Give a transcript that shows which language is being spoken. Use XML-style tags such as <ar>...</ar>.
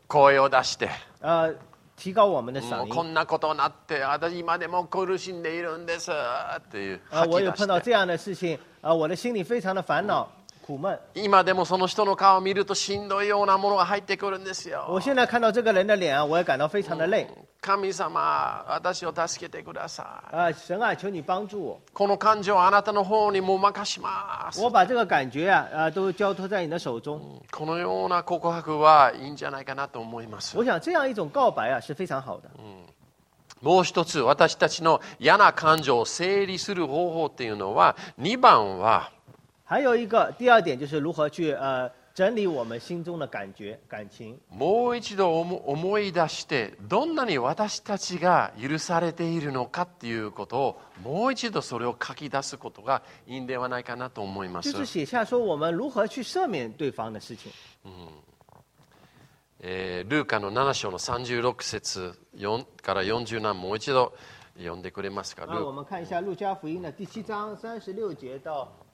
<ja>声を出して。</ja> <zh>提高我们的嗓音。</zh> <ja>こんなことなって、私今でも苦しんでいるんです。っていう。</ja> <zh>我有碰到这样的事情，我的心里非常的烦恼。苦闷。</zh> <ja>今でもその人の顔を見るとしんどいようなものが入ってくるんですよ。</ja> <zh>我现在看到这个人的脸啊，我也感到非常的累。</zh> <ja>神様、私を助けてください。</ja> <zh>神啊，求你帮助我。</zh> <ja>この感情をあなたの方にも任します。</ja> <zh>我把这个感觉啊，都交托在你的手中。</zh> <ja>このような告白はいいんじゃないかなと思います。</ja> <zh>我想这样一种告白啊，是非常好的。</zh> <ja>もう一つ、私たちの嫌な感情を整理する方法っていうのは、二番は。</ja> <zh>还有一个第二点就是如何去整理我们心中的感觉感情。</zh> <ja>もう一度思い出してどんなに私たちが許されているのかっていうことをもう一度それを書き出すことがいいんではないかなと思います。</ja> <zh>就是写下说我们如何去赦免对方的事情。</zh> <ja>ルーカの7章の36節から40何もう一度読んでくれますか。</ja> <zh>我们看一下路加福音的第七章三十六节到。</zh>